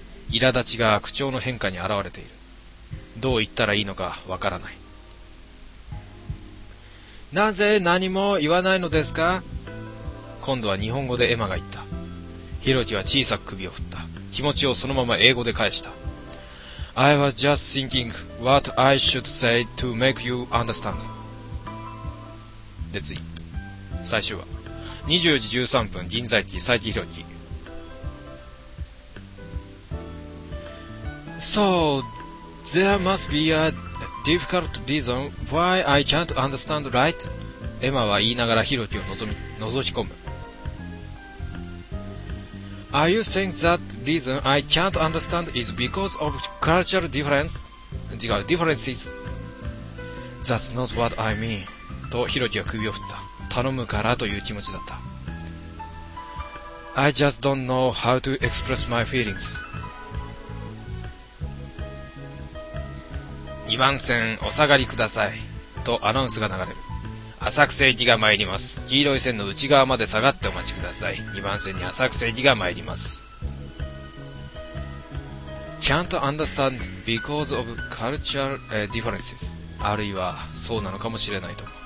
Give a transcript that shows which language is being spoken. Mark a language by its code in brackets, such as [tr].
[ja] 苛立ちが口調の変化に現れている。どう言ったらいいのかわからない。なぜ何も言わないのですか？今度は日本語でエマが言った。ヒロキは小さく首を振った。気持ちをそのまま英語で返した。 [en] I was just thinking what I should say to make you understand. [ja] で次最終話。 24時13分銀座駅、佐伯ヒロキ。 [en] So, there must be a difficult reason why I can't understand, right? [ja] エマは言いながらヒロキを覗き込む。 [en] Are you saying that reason I can't understand is because of cultural difference? [ja] 違う、 [en] differences? That's not what I mean. [ja] とヒロキは首を振った。頼むからという気持ちだった。 [en] I just don't know how to express my feelings. [ja] 2番線お下がりくださいとアナウンスが流れる。浅草行きが参ります。黄色い線の内側まで下がってお待ちください。 2番線に浅草行きが参ります。 [en] Can't understand because of cultural differences、 [ja] あるいはそうなのかもしれないと。